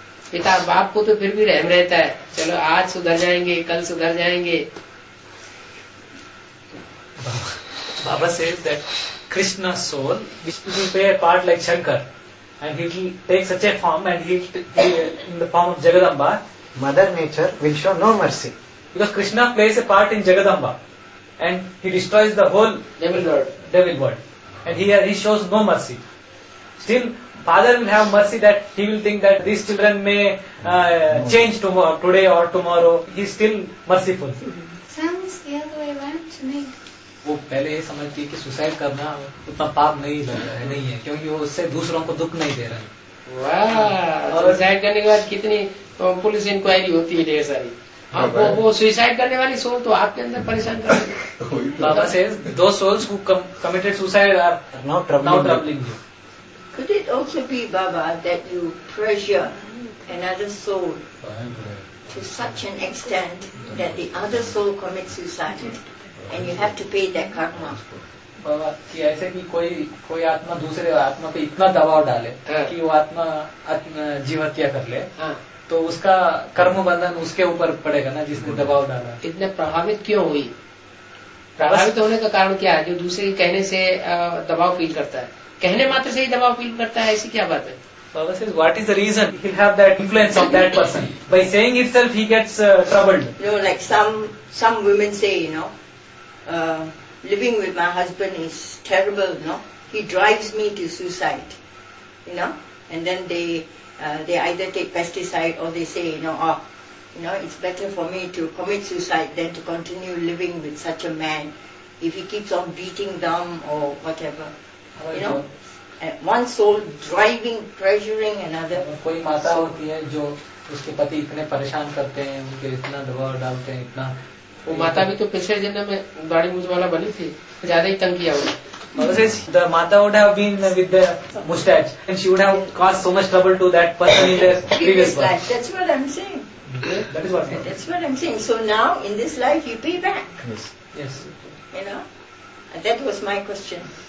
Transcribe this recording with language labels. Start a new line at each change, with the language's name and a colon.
Hindi: पिता बाप को तो फिर भी रहम रहता है, चलो आज सुधर जाएंगे, कल सुधर जाएंगे।
English: Baba says that Krishna soul will play a part like Shankar, and he will take such a form and he in the form of Jagadamba. Mother nature will show no mercy because Krishna plays a part in Jagadamba. and he destroys the whole devil world. And he shows no mercy. Still, father will have mercy that he will think that these children may change tomorrow, today or tomorrow. He is still merciful. Sounds the other way around to me. He first understood that suicide is not a bad thing, because he is not giving others pain. Wow! After suicide, how many police inquiries are there?
Hindi: वो suicide करने वाली soul तो आपके अंदर परेशान कर रही है.
English: Baba says those souls who committed suicide are now troubling you. Could it also be Baba that you pressure another soul to such an extent that the other soul commit suicide and you have to pay that karma.
Hindi: बाबा कि ऐसे कि कोई आत्मा दूसरे आत्मा पे इतना दबाव डाले कि वो आत्मा जीवहत्या कर ले, तो उसका कर्म बंधन उसके ऊपर पड़ेगा ना जिसने दबाव डाला. इतने प्रभावित क्यों हुई? प्रभावित होने का कारण क्या है जो दूसरे के कहने से दबाव फील करता है? कहने मात्र से ही दबाव फील करता है, ऐसी क्या बात है?
English: Baba says what is the reason he have that influence of that person by saying itself he gets troubled. No like some women say you know living with my husband is terrible no he drives me to suicide you know and then they either take pesticide or they say, it's better for me to commit suicide than to continue living with such a man if he keeps on beating them or whatever. One soul driving, pressuring another.
Hindi: कोई माता होती है जो उसके पति इतने परेशान करते हैं, उनके इतना दबाव डालते हैं, इतना. वो माता भी तो पिछले जन्म में दाढ़ी मूछ वाला बनी थी, ज्यादा ही तंग किया हुआ.
English: The mother would have been with the mustache and she would have caused so much trouble to that person in the previous life. That's what I'm saying. That's what I'm saying. So now in this life you pay back. Yes. That was my question.